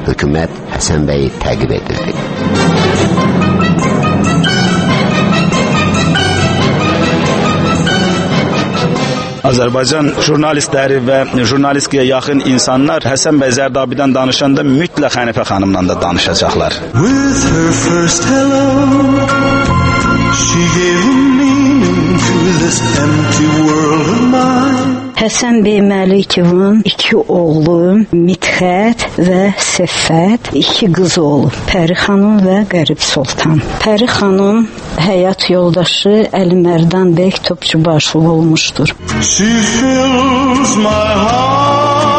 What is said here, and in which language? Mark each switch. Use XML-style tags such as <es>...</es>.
<az>Hökumət Həsən bəyi təqib edirdi. Azərbaycan jurnalistləri və jurnalistliyə yaxın insanlar Həsən bəy Zərdabidən danışanda mütləq Hənifə xanımdan da danışacaqlar.</az> <en>With her first hello, she gave meaning to this empty world of mine.</en> <az>Həsən bəy Məlikovun iki oğlu Mithət və Səfət, iki qız oğlu Pəri xanım və Qərib Sultan. Pəri xanım həyat yoldaşı Əli Mərdan bəy Topçubaşlı olmuşdur.</az> <en>She fills my</en>